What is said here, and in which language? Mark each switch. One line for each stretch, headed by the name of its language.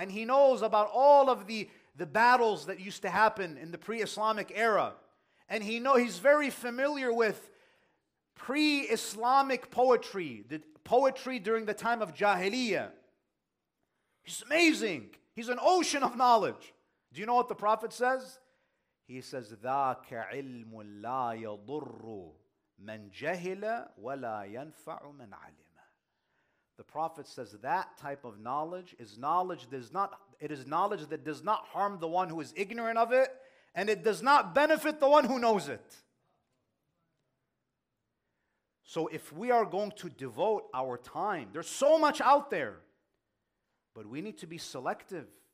English: And he knows about all of the battles that used to happen in the pre-Islamic era. And he's very familiar with pre-Islamic poetry, the poetry during the time of Jahiliyyah. He's amazing. He's an ocean of knowledge. Do you know what the Prophet says? He says,
Arabic: ذَاكَ عِلْمٌ لَا يَضُرُّ مَنْ جَهِلَ وَلَا يَنْفَعُ مَنْ عَلِمَ.
English: The Prophet says that type of knowledge is knowledge that does not, it is knowledge that does not harm the one who is ignorant of it, and it does not benefit the one who knows it. So if we are going to devote our time, there's so much out there, but we need to be selective.